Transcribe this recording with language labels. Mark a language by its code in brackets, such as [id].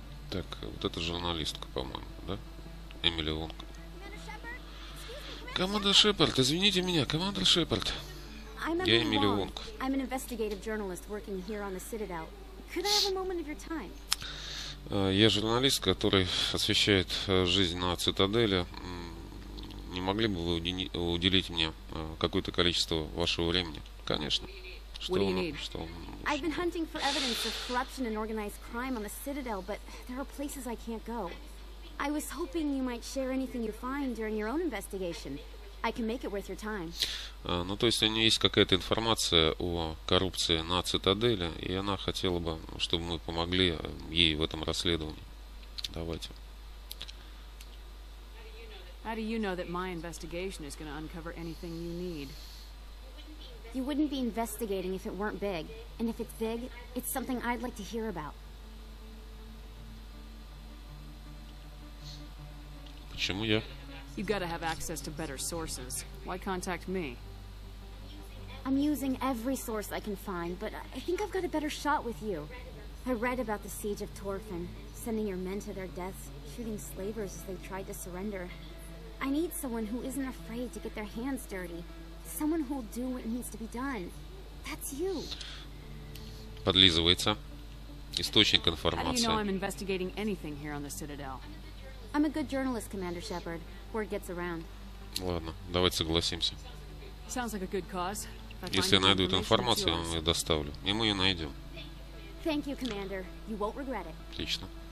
[ru] Так, вот это журналистка, по-моему, да? Эмили Вонг. Командор Шепард, извините меня, командор Шепард. Я Эмили Вонг. [en] I'm an investigative journalist working here on the Citadel. Could I have a moment of your time? [ru] Я журналист, который освещает жизнь на Цитадели. Не могли бы вы уделить мне какое-то количество вашего времени? Конечно. [en] I've been hunting for evidence of corruption and organized crime on the Citadel, but there are places I can't go. I was hoping you might share anything you find during your own investigation. I can make it worth your time. [ru] Ну, то есть у нее есть какая-то информация о коррупции на Цитадели, и она хотела бы, чтобы мы помогли ей в этом расследовании. Давайте. [en] How do you know that my investigation is going to uncover anything you need? You wouldn't be investigating if it weren't big. And if it's big, it's something I'd like to hear about. [ru] Почему я? [en] You've got to have access to better sources. Why contact me? I'm using every source I can find, but I think I've got a better shot with you. I read about the siege of Torfin, sending your men to their deaths, shooting slavers as they tried to surrender. I need someone who isn't afraid to get their hands dirty. Someone who'll do what needs to be done. That's you. [ru] Подлизывается. Источник информации. [en] How do you know I'm investigating anything here on the Citadel? I'm a good journalist, Commander Shepard. Word gets around. [ru] Ладно, давайте согласимся. [en] Sounds like a good cause. [ru] Если я найду эту информацию, я вам ее доставлю. И мы ее найдем. [en] Thank you, Commander. You won't regret it. [ru] Отлично.